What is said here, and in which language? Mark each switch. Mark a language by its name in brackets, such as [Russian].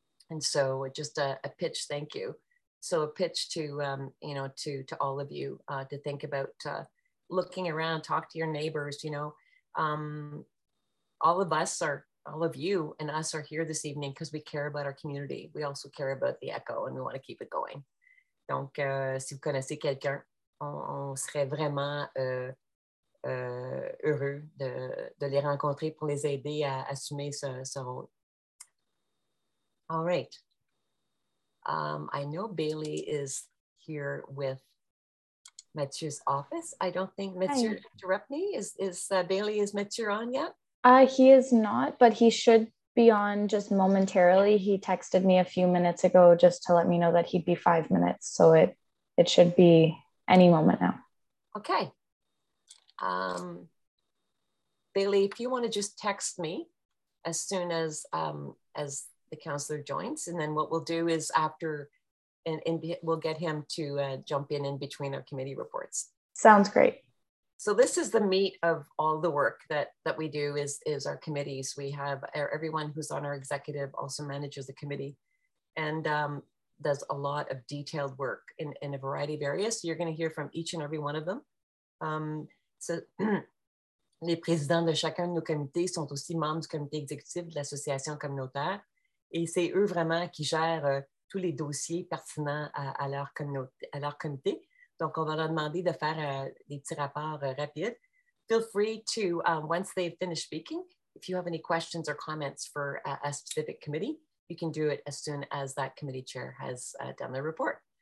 [English] And so just a pitch, thank you. So a pitch to, you know, to all of you to think about looking around, talk to your neighbors, you know. All of us are, all of you and us are here this evening because we care about our community. We also care about the Echo and we want to keep it going. [French] Donc, si vous connaissez quelqu'un, on serait vraiment heureux de les rencontrer pour les aider à assumer ce rôle. [English] All right. I know Bailey is here with Mathieu's office. I don't think Mathieu, interrupt me. Is Mathieu on yet? He is not, but he should be on just momentarily. He texted me a few minutes ago just to let me know that he'd be 5 minutes. So it should be any moment now. Okay. Bailey, if you want to just text me as soon as the counselor joins, and then what we'll do is after, and we'll get him to jump in between our committee reports. Sounds great. So this is the meat of all the work that we do is our committees. We have everyone who's on our executive also manages the committee and does a lot of detailed work in a variety of areas. So you're going to hear from each and every one of them. [French] Les présidents de chacun de nos comités sont aussi membres du comité exécutif de l'association communautaire et c'est eux vraiment qui gèrent tous les dossiers pertinents à leur comité. Donc, on va leur demander de faire des petits rapports rapides. [English] Feel free to, once they've finished speaking, if you have any questions or comments for a specific committee, you can do it as soon as that committee chair has done their report.